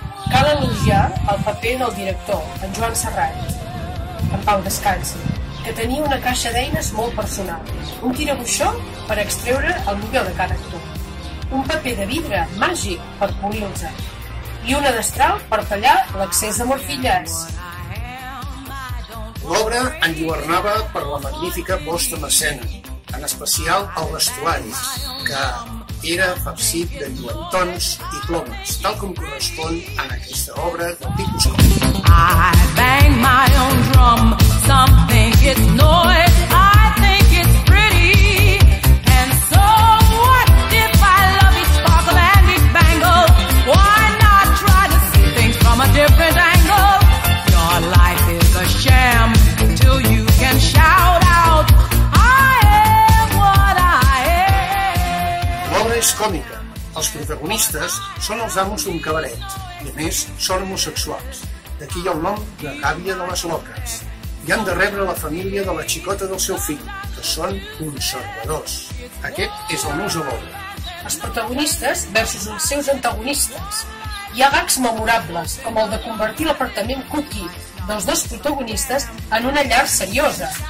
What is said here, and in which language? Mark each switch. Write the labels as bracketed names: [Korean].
[Catalan] Cal elogiar el paper del director, en Joan Serrat, en Pau Descansi, que tenia una caixa d'eines molt personal, un tirabuixó per extreure el millor de cada actor, un paper de vidre màgic per polir els arts i una destral per tallar l'excés de morfilles. L'obra enlluernava per la magnífica posta en escena, en especial el vestuari, que era farcit de lluentons i plomes, tal com correspon a aquesta obra del tipus còmic. [English] I bang my own drum, something is noise, I think it's pretty. And so what if I love it sparkle and it bangle? Why not try to see things from a different angle? Your life is a sham till you can shout out, I am what I am. [Catalan] L'obra és còmica. Els protagonistes són els amos d'un cabaret i, a més, són homosexuals. D'aquí hi ha el nom de Gàbia de les Loques. I han de rebre la família de la xicota del seu fill, que són conservadors. Aquest és el nus de l'obra. Els protagonistes versus els seus antagonistes. Hi ha gags memorables, com el de convertir l'apartament cookie dels dos protagonistes en una llar seriosa.